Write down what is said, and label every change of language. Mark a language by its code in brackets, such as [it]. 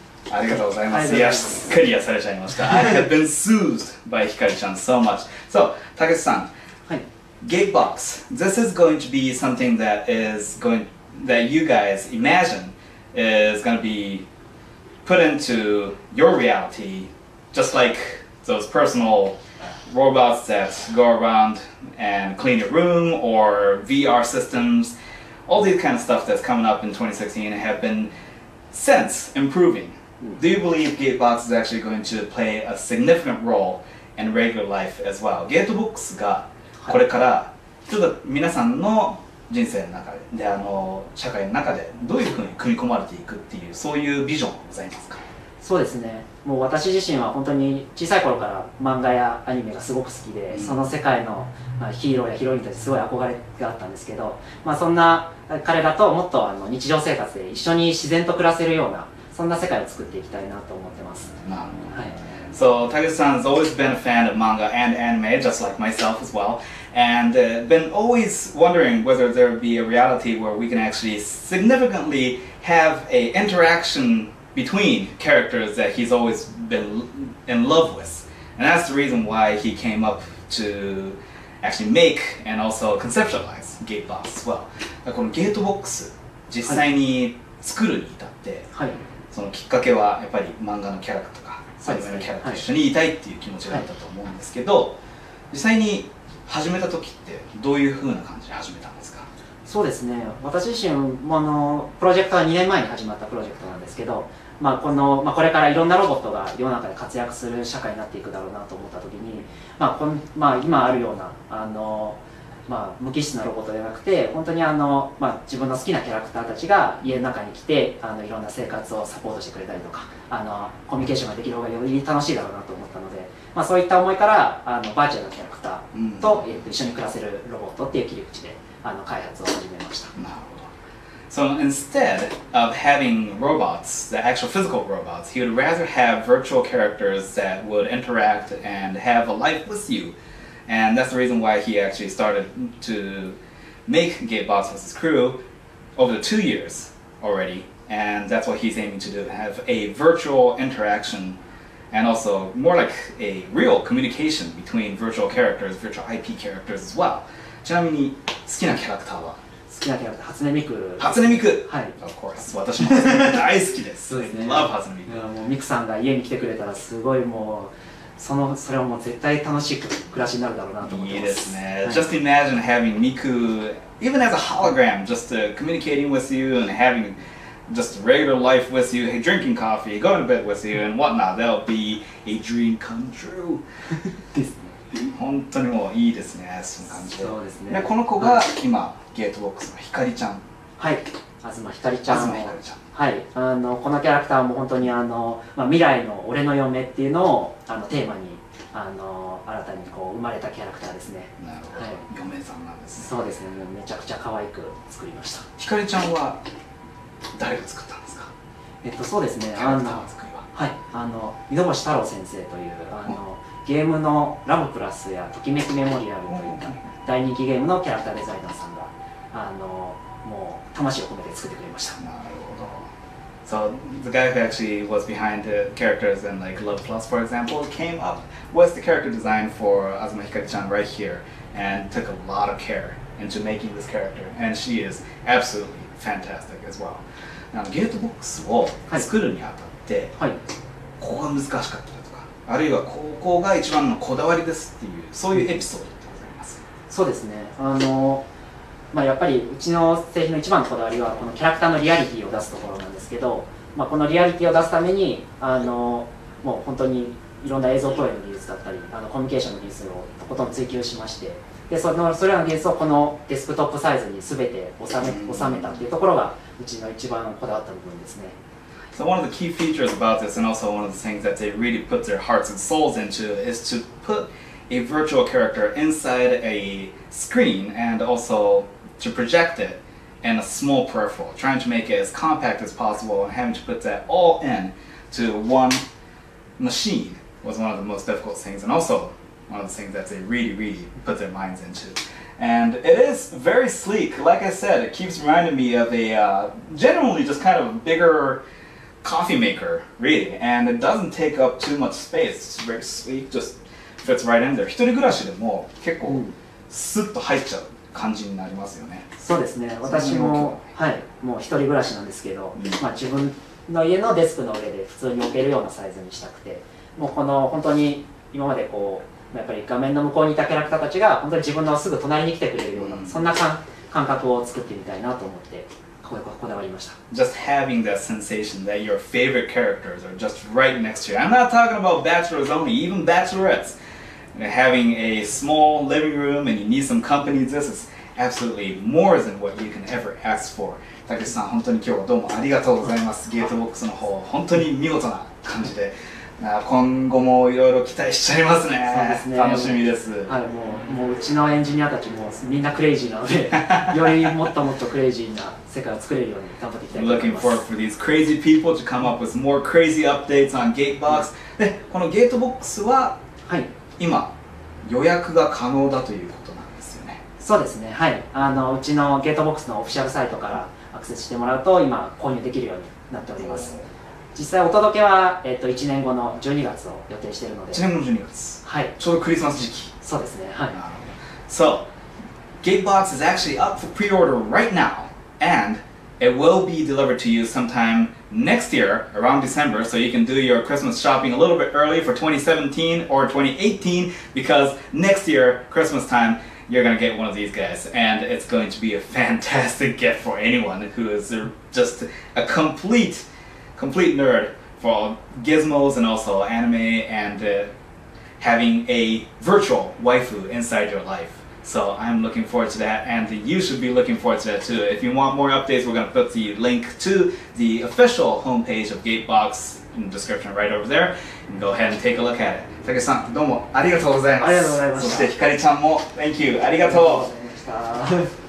[ja] ありがとうございます。いや、すっかり癒されちゃいました。 [en] I have been soothed by Hikari-chan so much. So, Takeshi-san,、 [ja] はい、 [en] Gatebox, this is going to be something that is going, that you guys imagine is going to be put into your reality, just like those personal robots that go around and clean your room or VR systems. All these kind of stuff that's coming up in 2016 have been since improving. Do you believe Gatebox is actually going to play a significant role in regular life as well? [ja] Gatebox がこれからちょっと皆さんの人生の中で、で、社会の中でどういうふうに組み込まれていくっていう、そういうビジョンございますか？そうですね、もう私自身は本当に小さい頃から漫画やアニメがすごく好きで、うん、その世界のヒーローやヒロインたちすごい憧れがあったんですけど、まあ、そんな彼らともっと日常生活で一緒に自然と暮らせるようなそんな世界を作っていきたいなと思ってます。なるほど、はい。 [en] So, Takeshi-san has always been a fan of manga and anime, just like myself as well, and been always wondering whether there would be a reality where we can actually significantly have an interaction between characters that he's always been in love with. And that's the reason why he came up to actually make and also conceptualize Gatebox as well. [ja] この Gatebox 実際に作るに至って、はい、そのきっかけはやっぱり漫画のキャラクターアニメのキャラと一緒にいたいっていう気持ちがあったと思うんですけど、はい、実際に始めた時ってどういう風な感じで始めたんですか？そうですね、私自身もプロジェクトは2年前に始まったプロジェクトなんですけど、まあ まあ、これからいろんなロボットが世の中で活躍する社会になっていくだろうなと思った時に、まあまあ、今あるようなまあ、無機質なロボットではなくて本当にまあ、自分の好きなキャラクターたちが家の中に来ていろんな生活をサポートしてくれたりとかコミュニケーションができる方がより楽しいだろうなと思ったので、まあ、そういった思いからバーチャルのキャラクターと、うん、一緒に暮らせるロボットっていう切り口で開発を始めました。なるほど。 [en] So instead of having robots, the actual physical robots, he would rather have virtual characters that would interact and have a life with youAnd that's the reason why he actually started to make Gatebox with his crew over the 2 years already. And that's what he's aiming to do, have a virtual interaction and also more like a real communication between virtual characters, virtual IP characters as well. [ja] ちなみに好きなキャラクターは？好きなキャラクター、初音ミク。初音ミク！はい。 [en] Of course. [ja] 私も初音ミク大好きです。そうですね。 [en] Love 初音ミク。 [ja] もうミクさんが家に来てくれたらすごいもう…それはもう絶対楽しい暮らしになるだろうなと思ってます。いいですね、はい、 [en] Just imagine having Miku even as a hologram just communicating with you and having just regular life with you, drinking coffee, going to bed with you and whatnot. That'll be a dream come true. [ja] ですね、本当にもういいですね、その感じ。そうですね、でこの子が今、Gatebox のひかりちゃん。はい、東ひかりちゃん。東ひかりちゃん、はい、このキャラクターも本当に未来の俺の嫁っていうのをテーマに新たにこう生まれたキャラクターですね。なるほど、はい、嫁さんなんですね。そうですね、めちゃくちゃ可愛く作りました。ひかりちゃんは誰が作ったんですか？そうですね、キャラクターの作りは、はい、井戸橋太郎先生というゲームのラブプラスやときめきメモリアルといった大人気ゲームのキャラクターデザイナーさんがもう魂を込めて作ってくれました。なるほど。 [en] So the guy who actually was behind the characters in like Love Plus, for example, came up with the character design for Azuma Hikari-chan right here and took a lot of care into making this character. And she is absolutely fantastic as well. Now, [ja] Gatebox を作るにあたって、はい、ここが難しかったとか、あるいはここが一番のこだわりですっていう、そういうエピソードってございます。そうですね。まあ、やっぱりうちの製品の一番のこだわりはこのキャラクターのリアリティを出すところなんですけど、まあ、このリアリティを出すためにもう本当にいろんな映像投影の技術だったりコミュニケーションの技術をとことん追求しまして、でそれらの技術をこのデスクトップサイズに全て収めたっていうところがうちの一番こだわった部分ですね。 [en] So one of the key features about this and also one of the things that they really put their hearts and souls into is to put a virtual character inside a screen and alsoTo project it in a small peripheral, trying to make it as compact as possible and having to put that all in to one machine was one of the most difficult things and also one of the things that they really, really put their minds into. And it is very sleek. Like I said, it keeps reminding me of a generally just kind of bigger coffee maker, really. And it doesn't take up too much space. It's very sleek, just fits right in there. [ja] 一人暮らしでも結構スッと入っちゃう感じになりますよね。そうですね、私も、はい、もう一人暮らしなんですけど、うん、まあ、自分の家のデスクの上で普通に置けるようなサイズにしたくて、もうこの本当に今までこうやっぱり画面の向こうにいたキャラクターたちが本当に自分のすぐ隣に来てくれるような、うん、そんな感覚を作ってみたいなと思ってこだわりました。 [en] Just having that sensation that your favorite characters are just right next to you. I'm not talking about bachelors only, even bachelorettes. Having a small living room and you need some company, this is absolutely more than what you can ever ask for. Takeshi-san, [ja] 本当に今日はどうもありがとうございます。 Gatebox の方、本当に見事な感じで、まあ、今後もいろいろ期待しちゃいます ね、そうですね、楽しみです。はい、もううちのエンジニアたちもみんなクレイジーなので、よりもっともっとクレイジーな世界を作れるように頑張っていきたいと思います。 [en] Looking forward for these crazy people to come up with more crazy updates on Gatebox、 [ja] うん、で、この Gatebox は、はい、今予約が可能だということなんですよね。そうですね、はい、うちの Gatebox のオフィシャルサイトからアクセスしてもらうと今購入できるようになっております。実際お届けは、1年後の12月を予定しているので、 1年後の12月、はい、ちょうどクリスマス時期。そうですね、はい。 [en] So, Gatebox is actually up for pre-order right now, and it will be delivered to you sometime next year, around December, so you can do your Christmas shopping a little bit early for 2017 or 2018, because next year, Christmas time,you're gonna get one of these guys, and it's going to be a fantastic gift for anyone who is just a complete nerd for gizmos and also anime and having a virtual waifu inside your life. So I'm looking forward to that, and you should be looking forward to that too. If you want more updates, we're gonna put the link to the official homepage of Gatebox in the description right over there, and go ahead and take a look at it. [ja] たけしさん、どうもありがとうございます。ありがとうございました。そしてひかりちゃんも、 [en] Thank you! [ja] ありがとう。ありがとうございました。